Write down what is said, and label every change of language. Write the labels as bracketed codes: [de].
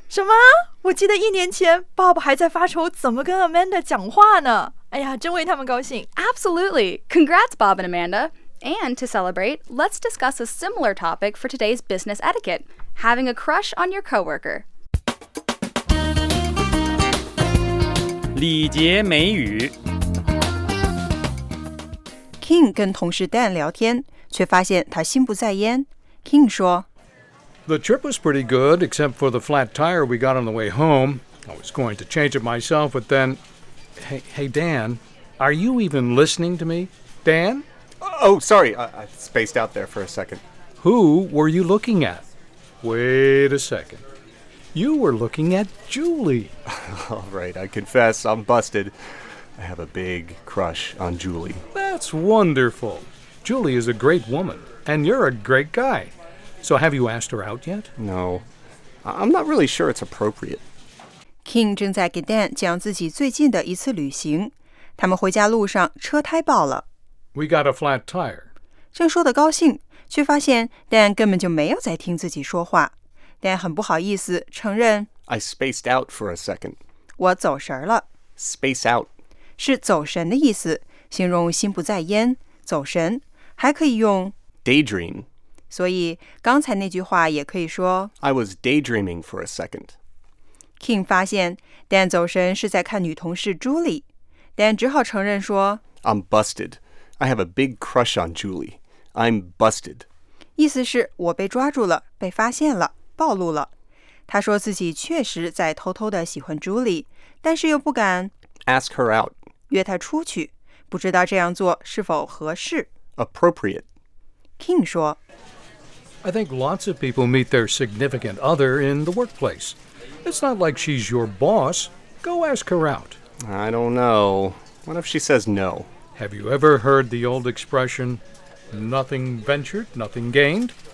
[zh] 什么？我记得一年前 Bob 还在发愁怎么跟 Amanda 讲话呢。哎呀，真为他们高兴。 [en] Absolutely. Congrats, Bob and Amanda. And to celebrate, let's discuss a similar topic for today's business etiquette, having a crush on your coworker. [zh] 礼节美语 King 跟同事 Dan 聊天，却发现他心不在焉。King 说 [en] The trip was pretty good, except for the flat tire we got on the way home. I was going to change it myself, but then... Hey, Dan, are you even listening to me? Dan? Oh, sorry, I spaced out there for a second. Who were you looking at? Wait a second. You were looking at Julie. All right, I confess, I'm busted. I have a big crush on Julie. That's wonderful. Julie is a great woman, and you're a great guy. So have you asked her out yet? No. I'm not really sure it's appropriate. [zh] King 正在给 Dan 讲自己最近的一次旅行。他们回家路上车胎爆了。 [en] We got a flat tire. [zh] 正说得高兴，却发现 Dan 根本就没有在听自己说话。 Dan 很不好意思承认 [en] I spaced out for a second. [zh] 我走神了。 [en] Space out. [zh] 是走神的意思，形容心不在焉，走神。还可以用 [en] daydream. [zh] 所以刚才那句话也可以说 [en] I was daydreaming for a second. [zh] King 发现 Dan 走神是在看女同事 Julie. Dan 只好承认说 [en] I'm busted. I have a big crush on Julie. I'm busted. [zh] 意思是我被抓住了，被发现了，暴露了。他说自己确实在偷偷地喜欢 Julie, 但是又不敢 [en] Ask her out. [zh] 约她出去，不知道这样做是否合适。 [en] Appropriate. [zh] King 说 [en] I think lots of people meet their significant other in the workplace. It's not like she's your boss. Go ask her out. I don't know. What if she says no? Have you ever heard the old expression, nothing ventured, nothing gained?